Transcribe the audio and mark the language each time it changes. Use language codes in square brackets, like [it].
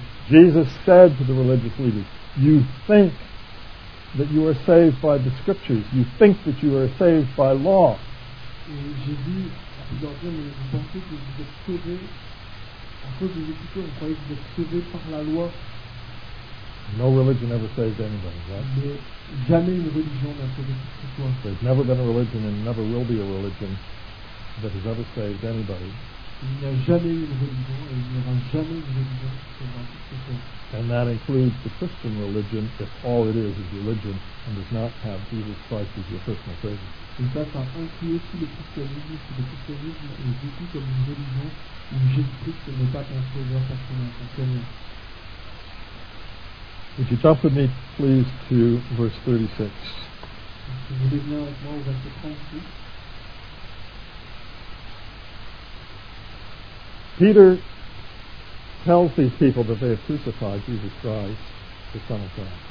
[en] Jesus said to the religious leaders, you think that you are saved by the scriptures. You think that you are saved by law. [fr] Et Jésus a pu leur dire, mais vous pensez que vous êtes sauvés à cause des écritures. Vous croyez que vous êtes sauvés par la loi. [en] No religion ever saved anybody, right? [fr] Jamais une religion n'a sauvé qui que ce soit. [en] There's never been a religion and never will be a religion that has ever saved anybody. [fr] Il n'y a jamais eu de religion et il n'y aura jamais de religion qui sauvera qui que ce soit. [en] And that includes the Christian religion, if all it is religion and does not have Jesus Christ as your personal savior. [fr] Et ça, ça inclut aussi le christianisme, si le christianisme est vécu comme une religion où Jésus-Christ n'est pas ton sauveur personnel, ton Seigneur. [en] Would you jump with me, please, to verse 36? [fr] Si vous voulez venir avec moi au verset 36. [en] Peter tells these people that they have crucified Jesus Christ, the Son of God.